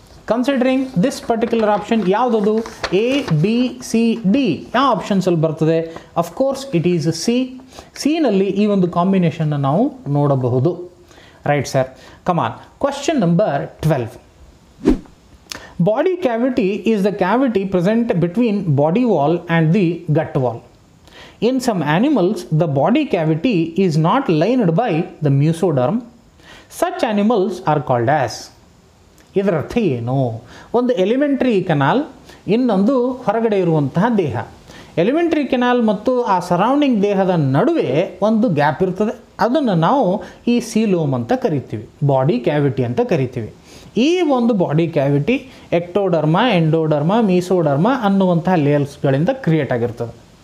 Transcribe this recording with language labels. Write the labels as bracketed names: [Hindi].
[English] considering this particular option [Kannada] ಯಾವುದದು, A B C D ಯಾವ ಆಪ್ಷನ್ಸಲ್ಲಿ ಬರ್ತದೆ, [English] Of course it is C. [Kannada] ಸಿನಲ್ಲಿ ಈ ಒಂದು ಕಾಂಬಿನೇಷನ್ನ ನಾವು ನೋಡಬಹುದು, [English] Right sir. Come on, question number 12. Body cavity is the cavity present between body wall and the gut wall. In some animals, the body cavity is not lined by the mesoderm. Such animals are called as. [Kannada] ಇದರರ್ಥ ಏನು, ಒಂದು elementary canal, ಇನ್ನೊಂದು ಹೊರಗಡೆ ಇರುವಂತಹ ದೇಹ. Elementary canal ಮತ್ತು ಆ surrounding ದೇಹದ ನಡುವೆ ಒಂದು ಗ್ಯಾಪ್ ಇರ್ತದೆ, ಅದನ್ನು ನಾವು ಈ ಸೀಲೋಮ್ ಅಂತ ಕರಿತೀವಿ, ಬಾಡಿ ಕ್ಯಾವಿಟಿ ಅಂತ ಕರಿತೀವಿ. ಈ ಒಂದು ಬಾಡಿ ಕ್ಯಾವಿಟಿ ಎಕ್ಟೋಡರ್ಮ, ಎಂಡೋಡರ್ಮ, ಮೀಸೋಡರ್ಮ ಅನ್ನುವಂತಹ ಲೇಯರ್ಸ್ಗಳಿಂದ ಕ್ರಿಯೇಟ್ ಆಗಿರ್ತದೆ.